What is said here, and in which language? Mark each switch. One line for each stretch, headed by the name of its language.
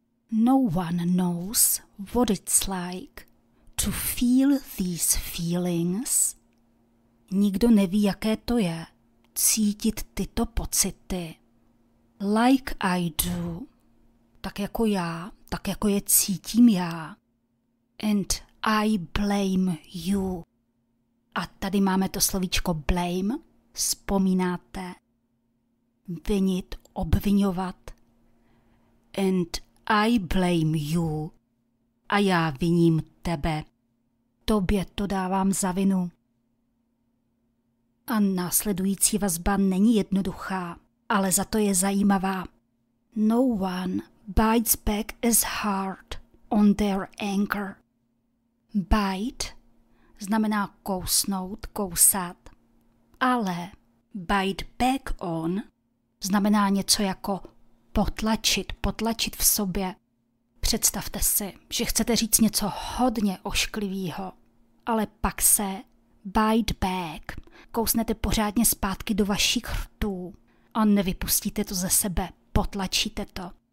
English: No one knows what it's like to feel these feelings.
Czech: Nikdo neví, jaké to je cítit tyto pocity.
English: Like I do.
Czech: Tak jako já, tak jako je cítím já.
English: And I blame you.
Czech: A tady máme to slovíčko blame. Vzpomínáte? Vinit, obvinovat.
English: And I blame you.
Czech: A já viním tebe. Tobě to dávám za vinu. A následující vazba není jednoduchá, ale za to je zajímavá.
English: No one bites back as hard on their anger.
Czech: Bite znamená kousnout, kousat. Ale bite back on znamená něco jako potlačit, potlačit v sobě. Představte si, že chcete říct něco hodně ošklivýho, ale pak se bite back, kousnete pořádně zpátky do vašich rtů a nevypustíte to ze sebe, potlačíte to.